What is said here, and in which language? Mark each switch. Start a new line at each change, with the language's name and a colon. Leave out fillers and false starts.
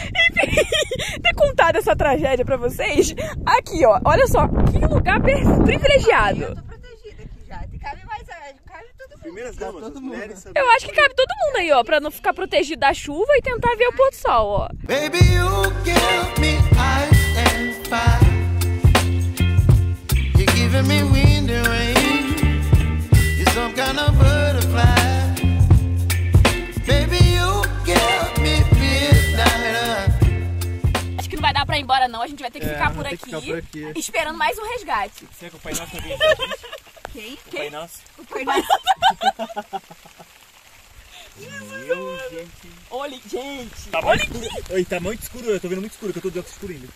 Portuguese: Enfim, ter contado essa tragédia pra vocês. Aqui, ó. Olha só. Que lugar privilegiado. Eu tô protegida aqui já. Cabe mais. Cabe todo mundo. Primeiras damas, todo mundo. Eu acho que cabe todo mundo aí, ó. Pra não ficar protegido da chuva e tentar ver o pôr do sol, ó.
English: Baby, you give me ice and fire. You're giving me wind and rain. Some kind of butterfly. Baby, you give me midnight.
Portuguese: Acho que não vai dar pra ir embora não. A gente vai ter que ficar, por, ter aqui, que ficar por aqui. Esperando mais um resgate. Você acompanha nosso vídeo? Quem? O pai nosso. Meu Deus. Olha, gente. Tá olha escuro. Aqui. Tá muito escuro. Eu tô vendo muito escuro. Que eu tô de óculos escuro ainda.